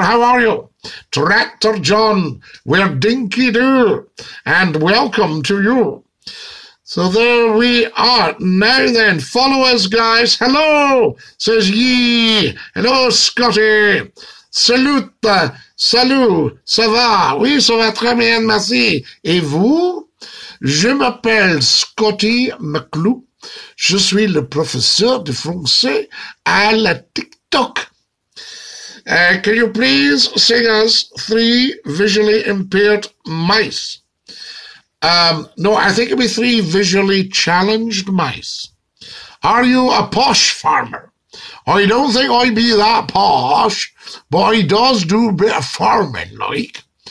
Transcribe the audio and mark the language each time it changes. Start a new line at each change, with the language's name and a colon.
English: How are you? Tractor John, we're Dinky-Doo. And welcome to you. So there we are. Now then, followers, guys, hello, says ye. Hello, Scotty.
French: Salute, salut, ça va? Oui, ça va très bien, merci. Et vous? Je m'appelle Scotty McClue. Je suis le professeur de français à la TikTok.
English: Can you please sing us Three Visually Impaired Mice? No, I think it'd be Three Visually Challenged Mice. Are you a posh farmer? I don't think I'd be that posh, but I does do a bit of farming, like.